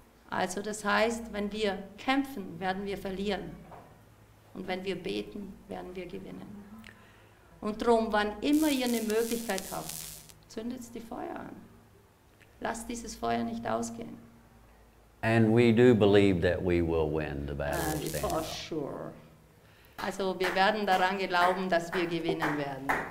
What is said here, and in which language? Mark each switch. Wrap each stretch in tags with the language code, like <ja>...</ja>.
<de>Also das heißt, wenn wir kämpfen, werden wir verlieren. Und wenn wir beten, werden wir gewinnen. Und drum, wann immer ihr eine Möglichkeit habt, zündet die Feuer an. Lasst dieses Feuer nicht ausgehen.</de> <en>And we do believe that we will win the battle. For sure.</en> <de>Also, wir werden daran glauben, dass wir gewinnen werden.</de>